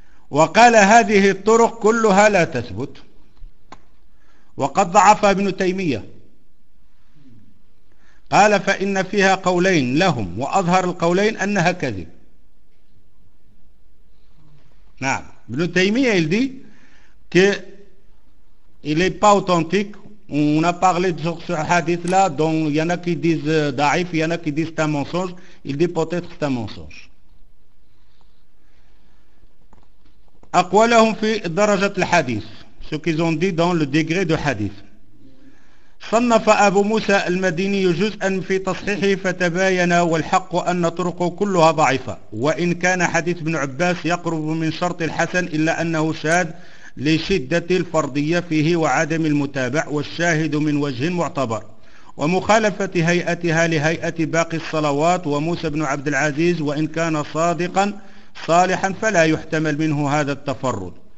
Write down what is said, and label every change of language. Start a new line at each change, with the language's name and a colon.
Arabic: وقال هذه الطرق كلها لا تثبت. وقد ضعفها ابن تيمية قال فإن فيها قولين لهم وأظهر القولين أنها كذب.
French: نعم ابن تيمية il dit que il est pas authentique. On a parlé de ce hadith là dont il y en a qui disent daif, il y en a qui disent c'est un mensonge. Il dit peut-être c'est un mensonge.
Arabic: أقوالهم في درجة الحديث
French: ce qu'ils ont dit dans le degré de hadith.
Arabic: صنف أبو موسى المديني جزءا في تصحيحه فتباين والحق أن طرقه كلها ضعيفة وإن كان حديث ابن عباس يقرب من شرط الحسن إلا أنه شاذ لشدة الفرضية فيه وعدم المتابع والشاهد من وجه معتبر ومخالفة هيئتها لهيئة باقي الصلوات وموسى بن عبد العزيز وإن كان صادقا صالحا فلا يحتمل منه هذا التفرد.